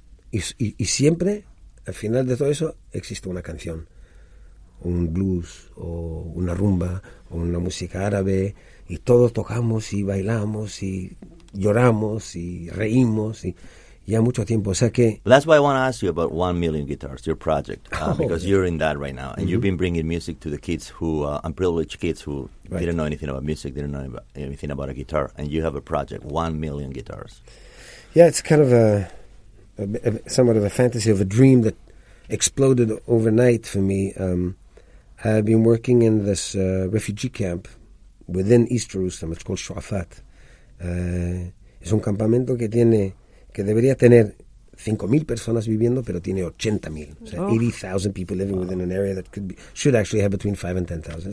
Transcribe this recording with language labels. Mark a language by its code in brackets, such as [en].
[es] Y siempre... Al final de todo eso existe una canción, un blues o una rumba o una música árabe y todos tocamos y bailamos y lloramos y reímos y ya mucho tiempo. O sea que... [en] That's why I want to ask you about 1 Million Guitars, your project, because you're in that right now and mm-hmm. you've been bringing music to the kids who are unprivileged kids who right. didn't know anything about music, didn't know anything about a guitar and you have a project, 1 Million Guitars. Yeah, it's kind of somewhat of a fantasy of a dream that exploded overnight for me. I've been working in this refugee camp within East Jerusalem. It's called Shu'afat. [es] Es un campamento que debería tener 5,000 personas viviendo, pero tiene 80,000. [en] So 80,000 people living wow. within an area that should actually have between 5 and 10,000.